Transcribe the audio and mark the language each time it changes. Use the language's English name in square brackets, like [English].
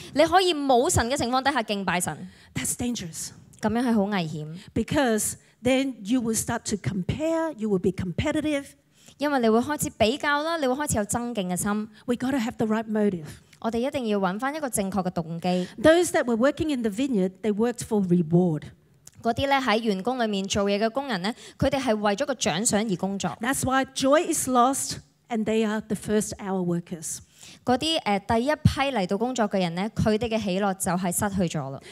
[Cantonese] 你可以冇神嘅情況底下敬拜神。 [English] That's dangerous. [Cantonese] 咁樣係好危險。 [English] Because then you will start to compare, you will be competitive. [Cantonese] 因為你會開始比較啦，你會開始有爭競嘅心。 [English] We got to have the right motive. [Cantonese] 我哋一定要揾翻一個正確嘅動機。 [English] Those that were working in the vineyard, they worked for reward. [Cantonese] 嗰啲咧喺園工裏面做嘢嘅工人咧，佢哋係為咗個獎賞而工作。 [English] That's why joy is lost, and they are the first hour workers. [Cantonese] 嗰啲第一批嚟到工作嘅人咧，佢哋嘅喜樂就係失去咗啦。